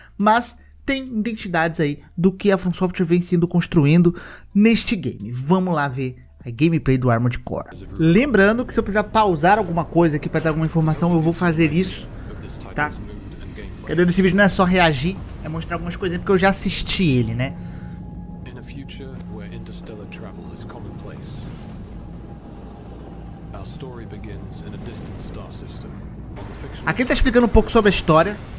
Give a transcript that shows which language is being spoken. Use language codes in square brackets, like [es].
[pt] Mas tem identidades aí do que a From Software vem sendo construindo neste game. Vamos lá ver a gameplay do Armored Core. Lembrando que se eu precisar pausar alguma coisa aqui para dar alguma informação, eu vou fazer isso, tá? A ideia desse vídeo não é só reagir, é mostrar algumas coisas, porque eu já assisti ele, né? [en] In a future where interstellar travel is commonplace, our story begins in a distant star system. [pt] Aqui ele tá explicando um pouco sobre a história.